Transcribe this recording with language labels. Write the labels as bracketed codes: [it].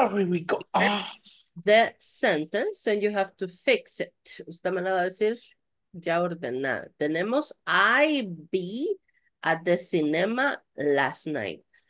[en] The sentence, and you have to fix it. [es] Usted me lo va a decir ya ordenada. Tenemos, [en] I be at the cinema last night.